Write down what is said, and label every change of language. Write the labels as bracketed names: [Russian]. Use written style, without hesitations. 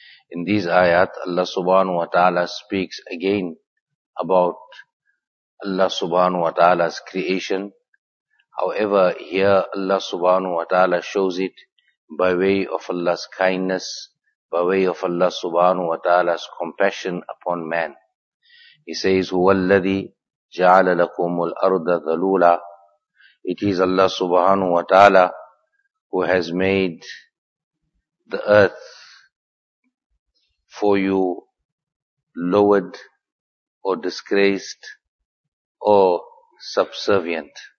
[English] In these ayat, Allah subhanahu wa ta'ala speaks again about Allah subhanahu wa ta'ala's creation. However, here Allah subhanahu wa ta'ala shows it by way of Allah's kindness, by way of Allah subhanahu wa ta'ala's compassion upon man. He says, [Arabic] هو الذي جعل لكم الأرض ذلولا. [English] It is Allah subhanahu wa ta'ala who has made the earth for you lowered or disgraced or subservient.